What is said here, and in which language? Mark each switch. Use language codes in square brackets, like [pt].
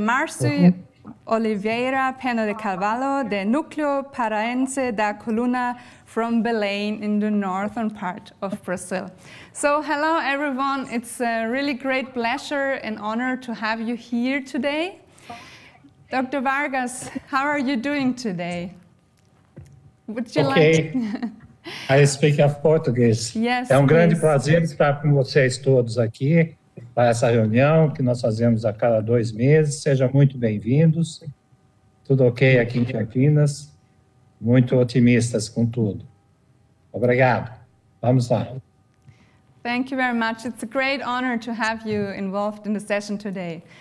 [en] Marcy Oliveira Pena de Carvalho, the Núcleo Paraense da Coluna from Belém in the northern part of Brazil. So hello everyone, it's a really great pleasure and honor to have you here today. Dr. Vargas, how are you doing today? Would you like... I speak of Portuguese. Yes, [pt] é um grande prazer estar com vocês todos aqui. Para essa reunião que nós fazemos a cada dois meses, sejam muito bem-vindos. Tudo ok aqui em Campinas, muito otimistas com tudo. Obrigado. Vamos lá. [en] Thank you very much. It's a great honor to have you involved in the session today.